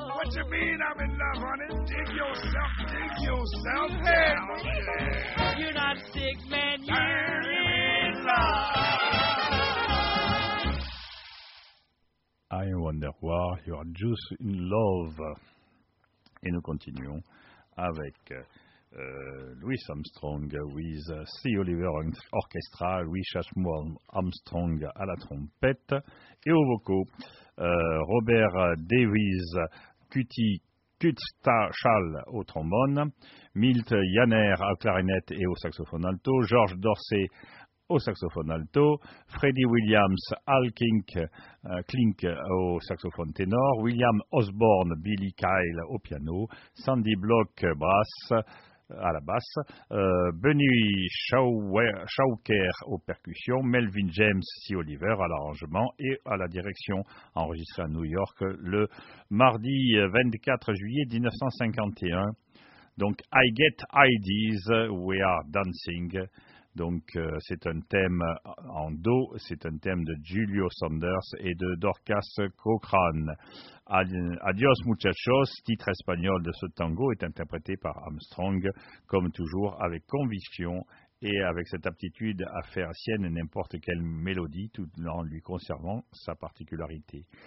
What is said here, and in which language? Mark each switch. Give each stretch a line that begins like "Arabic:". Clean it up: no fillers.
English: What you mean I'm in love, honey? Dig yourself down. You're not sick, man, you're in love. I wonder why you are just in love.
French: Et nous continuons avec Louis Armstrong with C. Oliver Orchestra, Louis Chashmore Armstrong à la trompette et au vocaux, Robert Davis, Cutie Kutstachal au trombone, Milt Janer à clarinette et au saxophone alto, George Dorsey au saxophone alto, Freddie Williams, Al Klink au saxophone ténor, William Osborne, Billy Kyle au piano, Sandy Block à la basse, Benny Shawker aux percussions, Melvin James C. Oliver à l'arrangement et à la direction, enregistré à New York le mardi 24 juillet 1951. Donc, I Get Ideas, We Are Dancing. Donc, c'est un thème en do, c'est un thème de Julio Saunders et de Dorcas Cochran. Adios muchachos, titre espagnol de ce tango est interprété par Armstrong, comme toujours, avec conviction et avec cette aptitude à faire sienne n'importe quelle mélodie, tout en lui conservant sa particularité.